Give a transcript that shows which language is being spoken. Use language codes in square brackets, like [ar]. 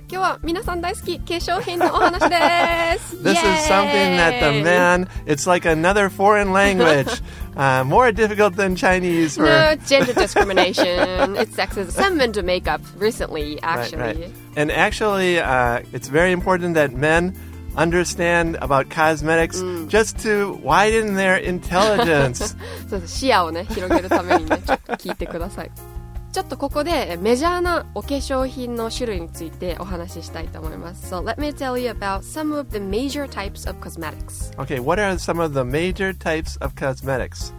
[ja] 今日は皆さん大好き化粧品のお話です。 [en] This is something that the men, it's like another foreign language. More difficult than Chinese. No, gender discrimination. It's sexism. Some men do makeup recently, actually. Right. And actually, it's very important that men understand about cosmetics just to widen their intelligence. [ja] そうです。視野をね、広げるためにね、ちょっと聞いてください。ちょっとここでメジャーなお化粧品の種類についてお話ししたいと思います。 [en] So let me tell you about some of the major types of cosmetics. Okay, what are some of the major types of cosmetics?